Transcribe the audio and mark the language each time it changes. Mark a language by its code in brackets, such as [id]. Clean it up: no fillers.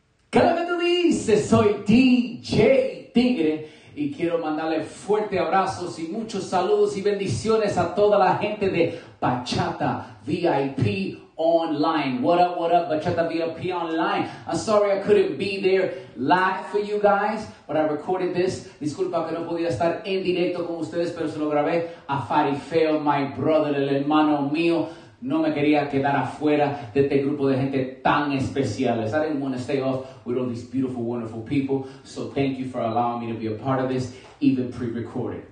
[es] Cada vez tú dices, soy DJ Tigre y quiero mandarle fuertes abrazos y muchos saludos y bendiciones a toda la gente de Bachata VIP Online. [en] What up, Bachata VIP Online. I'm sorry I couldn't be there live for you guys, but I recorded this. [es] Disculpa que no podía estar en directo con ustedes, pero se lo grabé a Farifeo, [en] my brother, [es] el hermano mío. No me quería quedar afuera de este grupo de gente tan especiales. [en] I didn't want to stay off with all these beautiful, wonderful people. So thank you for allowing me to be a part of this, even pre-recorded.